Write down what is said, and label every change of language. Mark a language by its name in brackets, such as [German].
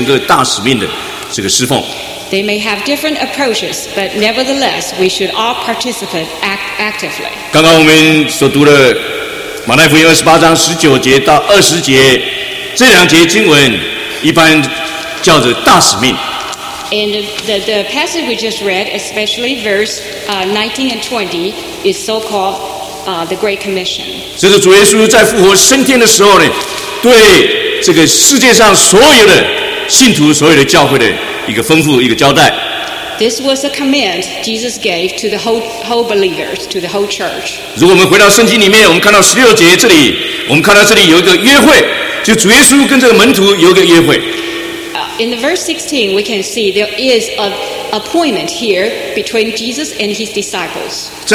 [Chinese] 当然，传福音有很多有直接的、有间接的，但是呢，我们每一个人都需要积极的参与整个大使命的这个侍奉。 [English] They may have different approaches, but nevertheless, we should all participate actively. [Chinese] 刚刚我们所读的马太福音28章19节到20节这两节经文，一般叫做大使命。 [English] And the passage we just read, especially verse 19 and 20, is so-called the Great Commission. [Chinese] 这是主耶稣在复活升天的时候呢，对这个世界上所有的信徒、所有的教会的。一个吩咐，一个交代。 [English] This was a command Jesus gave to the whole believers, to the whole church. [Chinese] 如果我们回到圣经里面，我们看到16节这里，我们看到这里有一个约会，就主耶稣跟这个门徒有一个约会。 [English] In the verse 16, we can see there is an appointment here between Jesus and his disciples.